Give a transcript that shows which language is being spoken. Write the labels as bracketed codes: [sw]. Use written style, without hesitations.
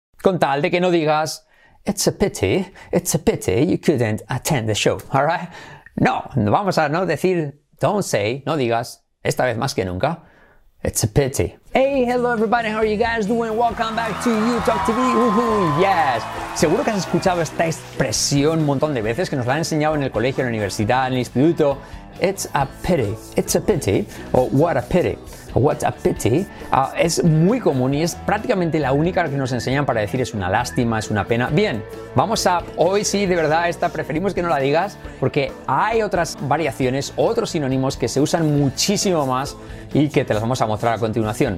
[es] con tal de que no digas, [en] it's a pity you couldn't attend the show, all right? [es] No, vamos a no decir, [en] don't say, [es] no digas, esta vez más que nunca, [en] it's a pity. Hey, hello everybody, how are you guys doing? Welcome back to YouTalk TV, yes. [es] Seguro que has escuchado esta expresión un montón de veces, que nos la han enseñado en el colegio, en la universidad, en el instituto. [en] It's a pity, o what a pity, o what a pity. [es] Es muy común y es prácticamente la única que nos enseñan para decir es una lástima, es una pena. Bien, vamos a, hoy sí, de verdad, esta preferimos que no la digas, porque hay otras variaciones, otros sinónimos que se usan muchísimo más y que te las vamos a mostrar a continuación.